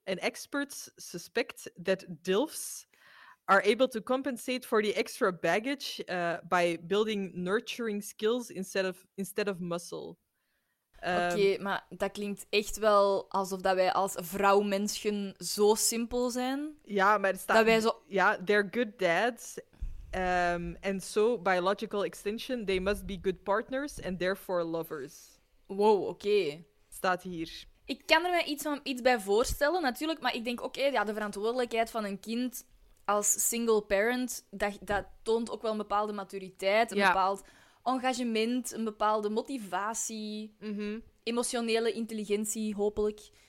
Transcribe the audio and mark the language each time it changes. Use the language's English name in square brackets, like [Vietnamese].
[English] And experts suspect that DILFs are able to compensate for the extra baggage by building nurturing skills instead of muscle. [Dutch] Oké, maar dat klinkt echt wel alsof dat wij als vrouwmensen zo simpel zijn. Ja, maar het staat... Dat wij zo... [English] Ja, they're good dads. And so, by logical extension, they must be good partners and therefore lovers. [Dutch] Wow, oké. Staat hier. Ik kan er mij iets bij voorstellen, natuurlijk. Maar ik denk, oké, de verantwoordelijkheid van een kind als single parent, dat toont ook wel een bepaalde maturiteit, een bepaald engagement, een bepaalde motivatie, emotionele intelligentie, hopelijk.